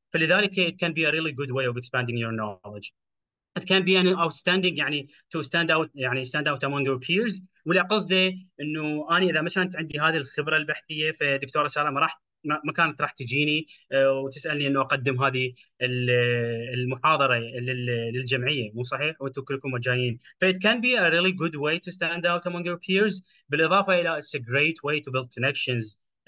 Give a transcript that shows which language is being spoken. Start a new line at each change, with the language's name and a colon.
English: فلذلك it can be a really good way of expanding your knowledge. It can be an outstanding يعني to stand out يعني stand out among your peers.
Arabic: واللي قصده انه انا اذا ما كانت عندي هذه الخبره البحثيه فدكتوره سالم ما كانت راح تجيني وتسالني انه اقدم هذه المحاضره للجمعيه، مو صحيح؟ وانتم كلكم جايين.
English: ف it can be a really good way to stand out among your peers،
Arabic: بالاضافه الى
English: it's a great way to build connections.